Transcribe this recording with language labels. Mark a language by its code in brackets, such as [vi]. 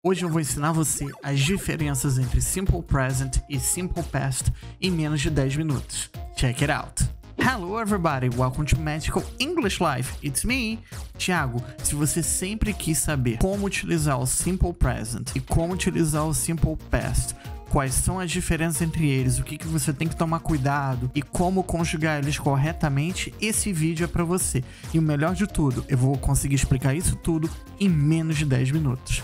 [pt] Hoje eu vou ensinar você as diferenças entre Simple Present e Simple Past em menos de 10 minutos. [en] Check it out! Hello everybody, welcome to Magical English Life, it's me, Thiago. [pt] Se você sempre quis saber como utilizar o Simple Present e como utilizar o Simple Past, quais são as diferenças entre eles, o que, que você tem que tomar cuidado e como conjugar eles corretamente, esse vídeo é pra você. E o melhor de tudo, eu vou conseguir explicar isso tudo em menos de 10 minutos.